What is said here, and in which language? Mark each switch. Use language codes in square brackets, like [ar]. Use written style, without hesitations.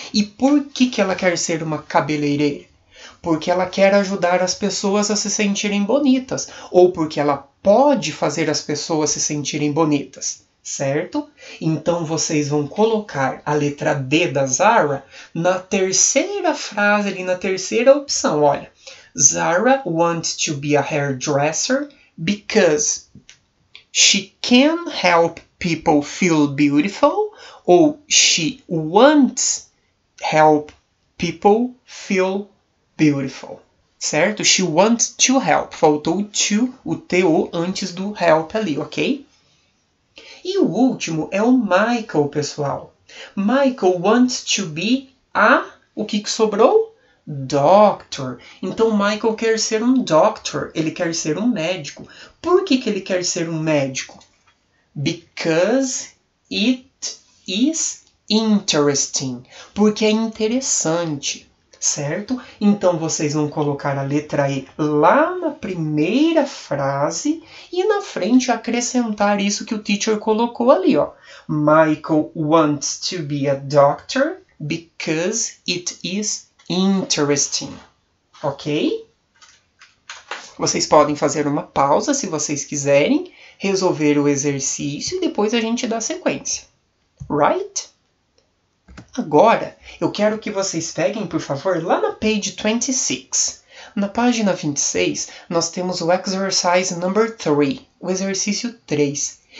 [pt] E por que que ela quer ser uma cabeleireira? Porque ela quer ajudar as pessoas a se sentirem bonitas, ou porque ela pode fazer as pessoas se sentirem bonitas. Certo? Então vocês vão colocar a letra D da Zara na terceira frase, ali na terceira opção. [en] Olha, Zara wants to be a hairdresser because she can help people feel beautiful ou she wants help people feel beautiful. Certo? She wants to help. [pt] Faltou o TO antes do help ali, ok? E o último é o Michael, pessoal. [en] Michael wants to be a. [pt] O que que sobrou? Doctor. Então, Michael quer ser um doctor. Ele quer ser um médico. Por que que ele quer ser um médico? [en] Because it is interesting. [pt] Porque é interessante, certo? Então, vocês vão colocar a letra E lá na primeira frase e na frente acrescentar isso que o teacher colocou ali, ó. [en] Michael wants to be a doctor because it is interesting. Ok? [pt] Vocês podem fazer uma pausa se vocês quiserem, resolver o exercício e depois a gente dá sequência. Right? Agora, eu quero que vocês peguem, por favor, lá na page 26. Na página 26, nós temos o [en] exercise number 3, [pt] o exercício 3.